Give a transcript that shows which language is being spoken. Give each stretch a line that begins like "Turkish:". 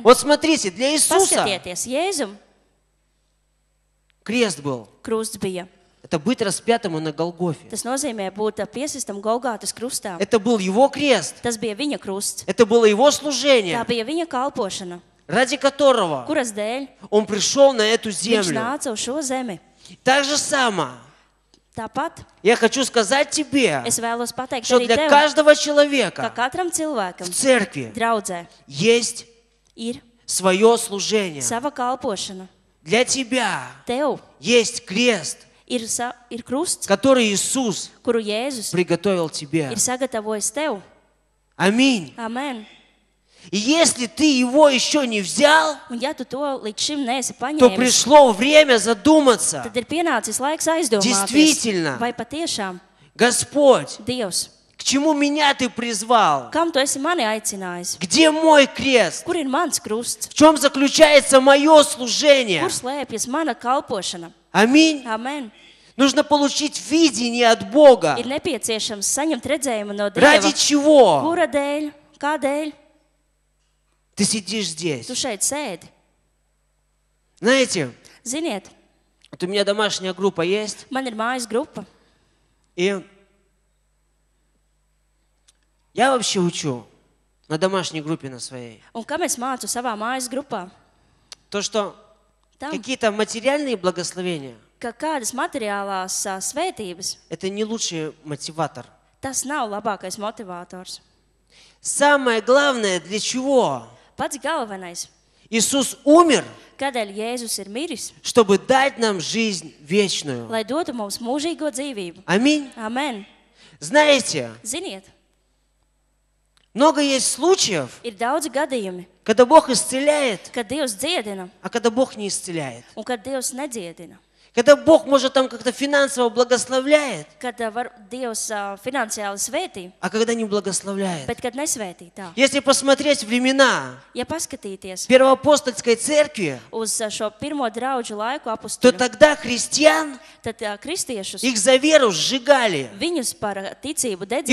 Russian: Вот смотрите, для Иисуса
Latvian: paskatieties, Jēzum,
Russian: крест был.
Latvian: Krusts bija.
Russian: Это быть распятым на Голгофе.
Latvian: Tas nozīmē būt piesistam Golgātas krustā.
Russian: Это был его крест.
Latvian: Tas bija viņa krusts.
Russian: Это было его служение.
Latvian: Tā bija viņa kalpošana.
Russian: Ради которого
Latvian: kuras dēļ
Russian: он пришел на эту землю.
Latvian: Viņš nāca uz šo zemi.
Russian: Так же самое.
Latvian: Tāpat,
Russian: я хочу сказать тебе,
Latvian: pateikt,
Russian: что для
Latvian: tev,
Russian: каждого человека
Latvian: ka cilvēkam,
Russian: в церкви
Latvian: draudzē,
Russian: есть
Latvian: ir,
Russian: свое служение.
Latvian: Sava kalpošana.
Russian: Для тебя
Latvian: tev,
Russian: есть крест,
Latvian: ir krusts,
Russian: который Иисус
Latvian: kuru Jēzus
Russian: приготовил тебе.
Latvian: Ir sagatavojis tev.
Russian: Аминь. Аминь. И если ты его еще не взял,
Latvian: un, ja tu to līdz šim neesi paņēmis,
Russian: то пришло время задуматься.
Latvian: Tad ir pienācis laiks aizdomāties.
Russian: Действительно.
Latvian: Vai patiešām,
Russian: Господь,
Latvian: Dievs,
Russian: к чему меня ты призвал?
Latvian: Kam tu esi mani aicinājis?
Russian: Где мой крест?
Latvian: Kur ir mans krusts?
Russian: В чем заключается мое служение?
Latvian: Kur slēpjas mana kalpošana?
Russian: Аминь. Аминь. Нужно получить видение от Бога.
Latvian: Ir nepieciešams saņemt redzējumu no Dieva.
Russian: Ради чего?
Latvian: Kura dēļ? Kā dēļ?
Russian: Ты сидишь здесь.
Latvian: Tu šeit sēdi.
Russian: Знаете?
Latvian: Ziniet?
Russian: Вот у меня домашняя группа есть.
Latvian: Man ir mājas grupa.
Russian: И я вообще учу на домашней группе на своей.
Latvian: Un kam es mācu savā mājas grupā?
Russian: То, что
Latvian: Tam.
Russian: Какие-то материальные благословения.
Latvian: Kādas materiālās svētības?
Russian: Это не лучший мотиватор.
Latvian: Tas nav labākais motivators.
Russian: Самое главное для чего?
Latvian: Pats galvenais.
Russian: Иисус умер.
Latvian: Kādēļ Jēzus ir miris?
Russian: Чтобы дать нам жизнь вечную.
Latvian: Lai dotu mums mūžīgo dzīvību.
Russian: Аминь.
Latvian: Amen.
Russian: Знаете?
Latvian: Ziniet?
Russian: Много есть случаев.
Latvian: Ir daudz gadījumi.
Russian: Когда Бог исцеляет.
Latvian: Kad Dievs dziedina.
Russian: А когда Бог не исцеляет.
Latvian: Un kad Dievs nedziedina.
Russian: Когда Бог может там как-то финансово благословляет. Когда
Latvian: var Dievs finansiāli svētī.
Russian: А когда не благословляет.
Latvian: Bet kad nesvētī, tā.
Russian: Если посмотреть времена.
Latvian: Ja paskatīties.
Russian: Первоапостольской церкви.
Latvian: Uz šo pirmo draudžu laiku apustuļu.
Russian: То тогда христиан.
Latvian: Tad kristiešus.
Russian: Их за веру сжигали.
Latvian: Viņus par ticību dedzināja.